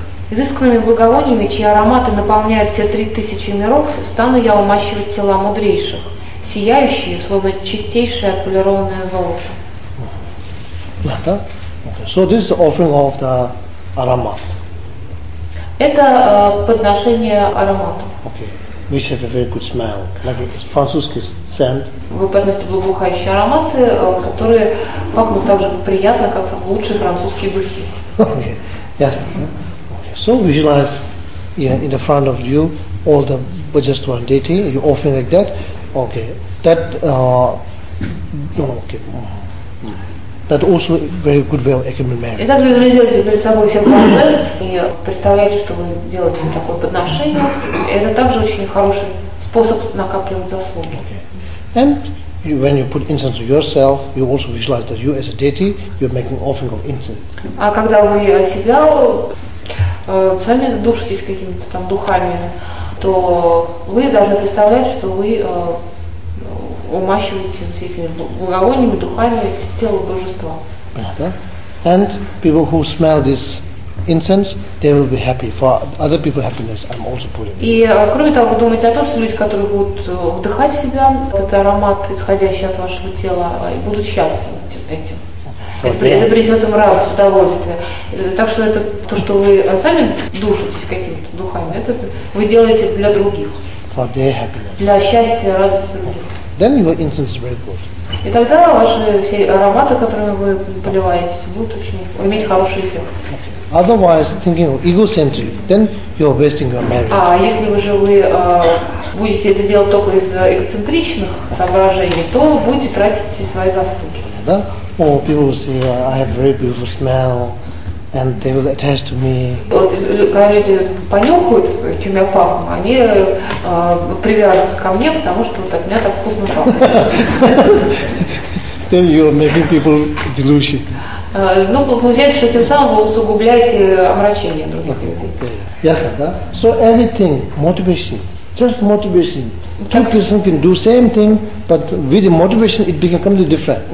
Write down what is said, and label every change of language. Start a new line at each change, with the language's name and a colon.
Russian: Изысканными благовониями, чьи ароматы наполняют все 3000 миров, стану я умащивать тела мудрейших, сияющие, словно чистейшее отполированное золото. Да?
English: So this is the offering of the аромат.
Russian: Это подношение аромата.
English: Okay. Which have a very good smell, like a французский scent.
Russian: Вы подносите благоухающие ароматы, которые пахнут так же приятно, как лучшие французские духи.
English: Okay. Yes. Okay. So visualize, yeah, in the front of you all the bodhisattva deity, you offering like that. Okay. That okay. That also very good way of accumulating merit.
Russian: Итак, вы визуализируете перед собой всех божеств и представляете, что вы делаете такое подношение. Это также очень хороший способ накапливать заслуги.
English: Okay. And you, when you put incense to yourself, you also visualize that you as a deity, you're making offering of incense.
Russian: А когда вы себя сами душитесь какими-то там духами, то вы должны представлять, что вы умащивать все эти благовониями, духами тело Божества.
English: And people who smell this incense, they will be happy for other people's happiness. I'm also putting.
Russian: И кроме того, думайте о том, что люди, которые будут вдыхать в себя этот аромат, исходящий от вашего тела, будут счастливы этим. Это принесет им радость, удовольствие. Так что это то, что вы сами душитесь какими-то духами, это вы делаете для других.
English: For their happiness.
Russian: Для счастья, радости других.
English: Then your incense is very good.
Russian: И тогда ваши все ароматы, которыми вы поливаетесь, будут очень иметь хороший эффект.
English: Otherwise, thinking of egocentric, then you're wasting your marriage.
Russian: А если вы же вы будете это делать только из эгоцентричных соображений, то будете тратить все свои заслуги. Да?
English: Oh, people will say, I have very beautiful smell, and they will attach to me.
Russian: Когда люди понюхают, чем я пахну, они привязываются ко мне, потому что от меня так вкусно пахнет.
English: Then you are making people delusion.
Russian: Ну, получается, что тем самым вы усугубляете омрачение других людей. Ясно, да?
English: So everything, motivation, just motivation. Two persons can do same thing, but with the motivation it becomes completely different.